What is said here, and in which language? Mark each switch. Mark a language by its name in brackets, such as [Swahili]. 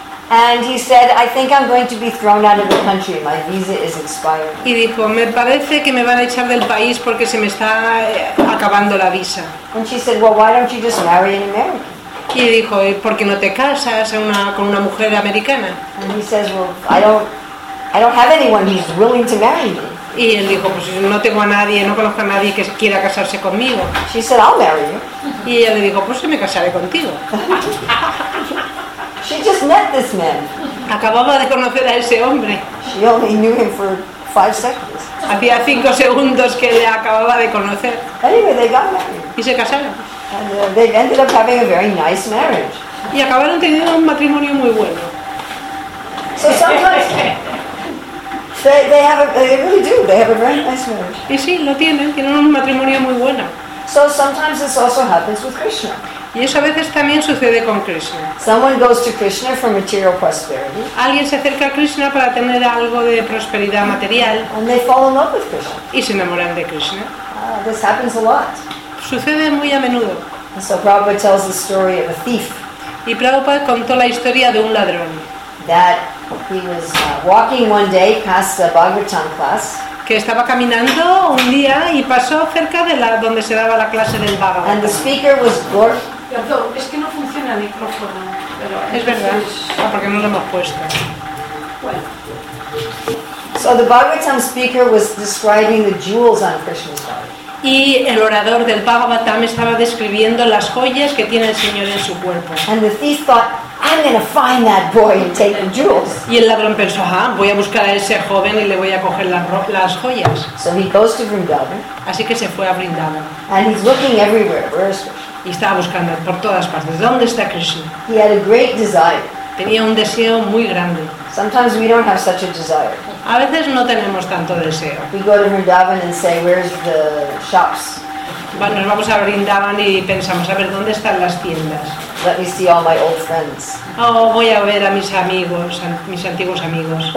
[English] And he said, I think I'm going to be thrown out of the country. My visa is expired. [Spanish] Y dijo, me parece que me van a echar del país porque se me está acabando la visa. [English] And she said, well, why don't you just marry an American? [Spanish] Y dijo, ¿por qué no te casas con una mujer americana? [English] And he says, well, I don't have anyone who's willing to marry me. [Spanish] Y él dijo, pues no tengo a nadie, no conozco a nadie que quiera casarse conmigo. [English] She said, I'll marry you. [Spanish] Y ella le dijo, pues me casaré contigo. [English] She just met this man. [Spanish] Acababa de conocer a ese hombre. [English] She only knew him for 5 seconds. [Spanish] Hacía 5 segundos que le acababa de conocer. [English] Anyway, they got married. [Spanish] Y se casaron. [English] And they ended up having a very nice marriage. [Spanish] Y acabaron teniendo un matrimonio muy bueno. [English] So sometimes they really do have a very nice marriage. [Spanish] Y sí, lo tienen un matrimonio muy bueno. [English] So sometimes this also happens with Krishna. [Spanish] Y eso a veces también sucede con Krishna. [English] Someone goes to Krishna for material prosperity. [Spanish] Alguien se acerca a Krishna para tener algo de prosperidad material. [English] And they fall in love with Krishna. [Spanish] Y se enamoran de Krishna. [English] This happens a lot. [Spanish] Sucede muy a menudo. [English] So Prabhupada tells the story of a thief. [Spanish] Y Prabhupada contó la historia de un ladrón. [English] That he was walking one day past a Bhagavatam class. [Spanish] Que estaba caminando un día y pasó cerca de la donde se daba la clase del Bhagavatam. [English] And the speaker was Gorg. [Spanish] Es que no funciona el micrófono. Pero es verdad. Porque no lo hemos puesto. Bueno. [English] So the Bhagavatam speaker was describing the jewels on Krishna's body. [Spanish] Y el orador del Bhagavatam estaba describiendo las joyas que tiene el Señor en su cuerpo. [English] And the thief thought, I'm gonna find that boy and take the jewels. [Spanish] Y el ladrón pensó, voy a buscar a ese joven y le voy a coger las joyas. [English] So he goes to Vrindavan. [Spanish] Así que se fue a Vrindavan. [English] And he's looking everywhere. Where is Krishna? [Spanish] Y estaba buscando por todas partes. ¿Dónde está Krishna? [English] He had a great desire. [Spanish] Tenía un deseo muy grande. [English] Sometimes we don't have such a desire. [Spanish] A veces no tenemos tanto deseo. [English] We go to Vrindavan and say, where's the shops? [Spanish] Bueno, nos vamos a Vrindavan y pensamos, a ver, ¿dónde están las tiendas? [English] Let me see all my old friends. [Spanish] Oh, voy a ver a mis amigos, a mis antiguos amigos.